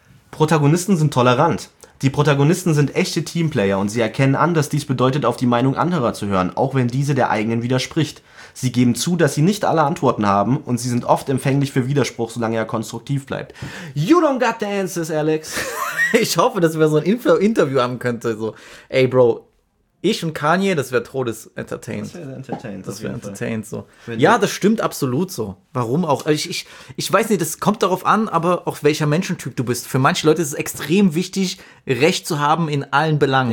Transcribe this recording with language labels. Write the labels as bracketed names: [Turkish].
[German] Protagonisten sind tolerant. Die Protagonisten sind echte Teamplayer und sie erkennen an, dass dies bedeutet, auf die Meinung anderer zu hören, auch wenn diese der eigenen widerspricht. Sie geben zu, dass sie nicht alle Antworten haben und sie sind oft empfänglich für Widerspruch, solange er konstruktiv bleibt. [English] You don't got the answers, Alex. [German] Ich hoffe, dass wir so ein Interview haben könnten. So, ey, Bro, ich und Kanye, das wäre todesentertained. Das wäre entertained. Ja, das stimmt absolut so. Warum auch? Ich weiß nicht, das kommt darauf an, aber auch welcher Menschentyp du bist. Für manche Leute ist es extrem wichtig, Recht zu haben in allen Belangen.